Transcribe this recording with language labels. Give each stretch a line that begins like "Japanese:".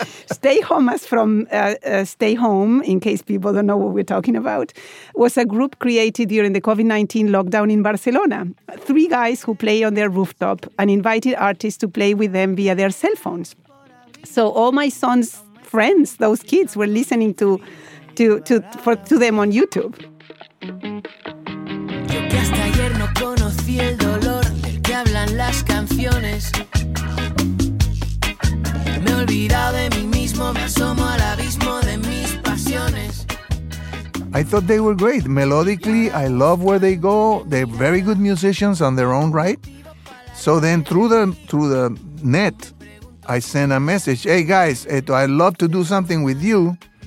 English: Stay Homas from Stay Home, in case people don't know what we're talking about, was a group created during the COVID-19 lockdown in Barcelona. Three guys who play on their rooftop and invited artists to play with them via their cell phones. So all my son's friends, those kids, were listening to to them on YouTube.
Spanish: Yo que hasta ayer no conocí el dolor del que hablan las canciones. Me he olvidado de mí mismo, me asomo al abismo de mis pasiones.
English: I thought they were great. Melodically, I love where they go. They're very good musicians on their own right. So then through the net, I sent a message. Hey, guys, I'd love to do something with you.